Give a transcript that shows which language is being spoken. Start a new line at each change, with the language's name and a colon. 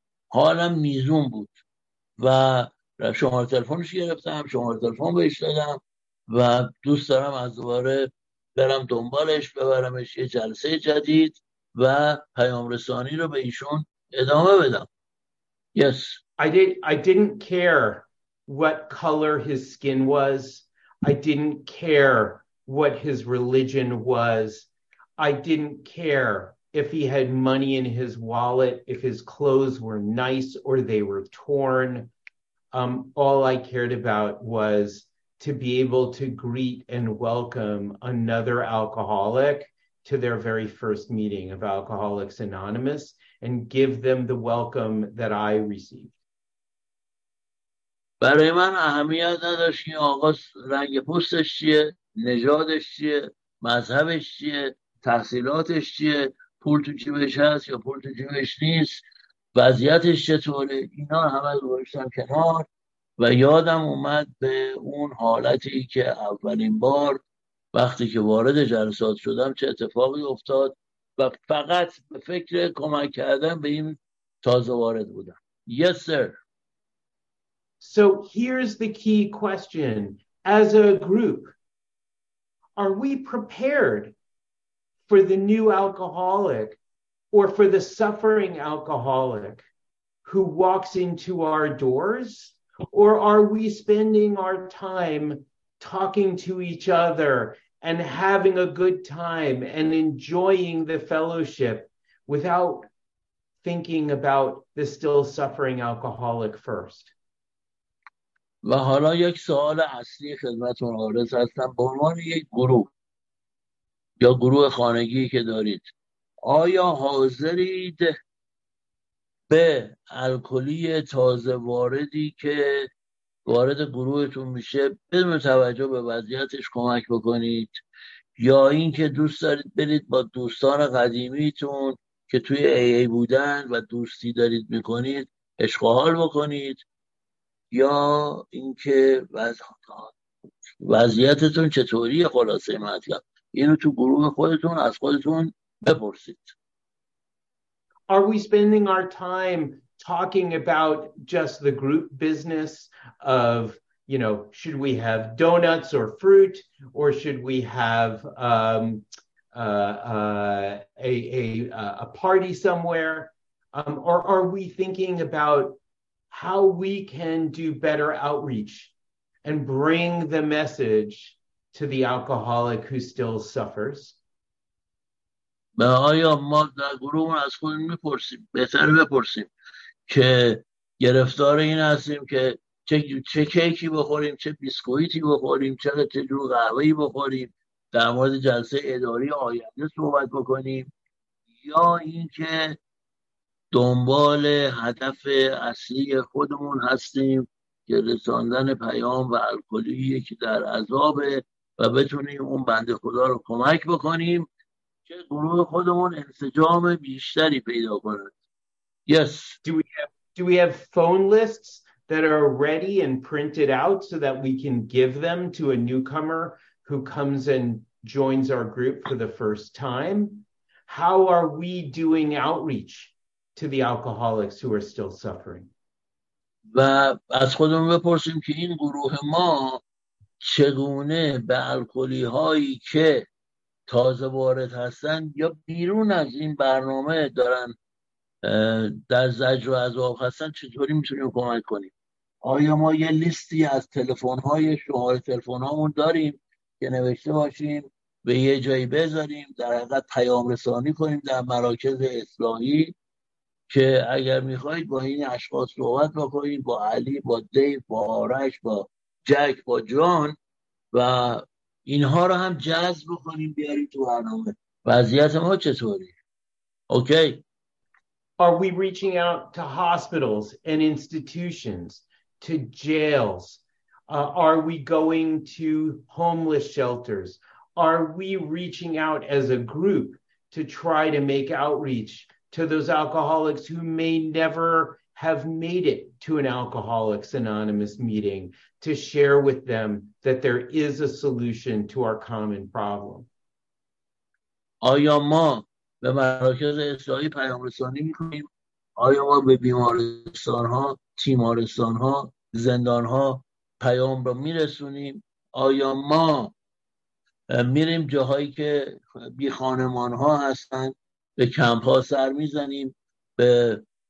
Persian: حالم میزون بود و شماره تلفنش گرفتم، شماره تلفن بهش دادم و دوست دارم از دوباره برم دنبالش، ببرمش یه جلسه جدید و پیام رسانی رو به ایشون ادامه بدم.
English: Yes. I didn't care what color his skin was. I didn't care what his religion was. I didn't care if he had money in his wallet, if his clothes were nice or they were torn. All I cared about was to be able to greet and welcome another alcoholic to their very first meeting of Alcoholics Anonymous and give them the welcome that I received.
Persian: برای من اهمیت نداشت که آقا رنگ پوستش چیه، نژادش چیه، مذهبش چیه، تحصیلاتش چیه، پول تو جیبش هست یا پول تو جیبش نیست، وضعیتش چطوره، اینا همه رو گذاشتم کنار و یادم اومد به اون حالتی که اولین بار وقتی که وارد جلسات شدم چه اتفاقی افتاد و فقط به فکر کمک کردن به این تازه وارد بودم.
English: Yes sir. So here's the key question. As a group, are we prepared for the new alcoholic or for the suffering alcoholic who walks into our doors? Or are we spending our time talking to each other and having a good time and enjoying the fellowship without thinking about the still suffering alcoholic first?
Persian: و حالا یک سوال اصلی خدمتتون عارض هستم به عنوان یک گروه یا گروه خانگی که دارید، آیا حاضرید به الکلی تازه واردی که وارد گروهتون میشه بدون توجه به وضعیتش کمک بکنید، یا اینکه دوست دارید برید با دوستان قدیمیتون که توی ای ای بودن و دوستی دارید میکنید عشق و حال بکنید، یا اینکه وضعیتتون چطوری؟ خلاصه مطلب اینو تو گروه خودتون از خودتون بپرسید.
English: Are we spending our time talking about just the group business of you know, should we have donuts or fruit, or should we have a party somewhere? Or are we thinking about how we can do better outreach and bring the message to the alcoholic who still suffers?
Persian: به آیا ما در گروه از خودمون میپرسیم، بهتر بپرسیم که گرفتار این هستیم که چه کیکی بخوریم، چه بیسکویتی بخوریم، چه جور قهوه‌ای بخوریم، در مورد جلسه اداری آینده صحبت بکنیم، یا اینکه دنبال هدف اصلی خودمون هستیم که رساندن پیام و الکلیه که در عذابه و بتونیم اون بنده خدا رو کمک بکنیم که گروه خودمون انسجام بیشتری پیدا کند.
English: Yes. Do we have phone lists that are ready and printed out so that we can give them to a newcomer who comes and joins our group for the first time? How are we doing outreach to the alcoholics who are still suffering?
Persian: و از خودمون بپرسیم که این گروه ما چگونه به الکلی هایی که تازه وارد هستن یا بیرون از این برنامه دارن در زجر و عذاب هستن چطوری میتونیم کمک کنیم؟ آیا ما یه لیستی از تلفن های شماره تلفن هامون داریم که نوشته باشیم به یه جایی بذاریم، در حقیقت پیام رسانی کنیم در مراکز اصلاحی که اگر میخواید با این اشخاص صحبت بکنید، با علی، با دیو، با آرش، با جک، با جان و اینها رو هم جذب بکنیم بیاریم تو برنامه؟ وضعیت ما چطوری؟ اوکی.
English: Are we reaching out to hospitals and institutions, to jails? Are we going to homeless shelters? Are we reaching out as a group to try to make outreach to those alcoholics who may never have made it to an Alcoholics Anonymous meeting to share with them that there is a solution to our common problem?
Persian: آیا ما به مراکز اصلاحی پیام رسانی می کنیم؟ آیا ما به بیمارستان ها، تیمارستان ها، زندان ها پیام رو می رسونیم؟ آیا ما میریم جاهایی که بی خانمان ها هستن، به کمپ ها سر می زنیم، به